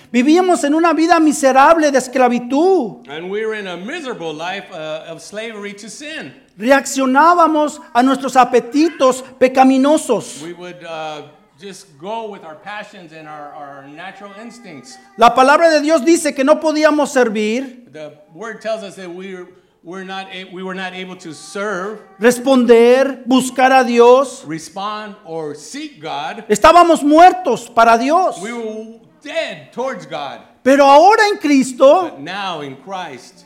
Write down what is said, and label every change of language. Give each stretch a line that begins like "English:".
Spanish: Vivíamos en una vida miserable de esclavitud.
English: And we were in a miserable life of slavery to sin.
Spanish: Reaccionábamos a nuestros apetitos pecaminosos.
English: We would just go with our passions and our natural instincts.
Spanish: La palabra de Dios dice que no podíamos servir.
English: The word tells us that we were not able to serve,
Spanish: responder, buscar a Dios,
English: respond or seek God.
Spanish: Estábamos muertos para Dios.
English: We were dead towards God.
Spanish: Pero ahora en Cristo,
English: but now in Christ,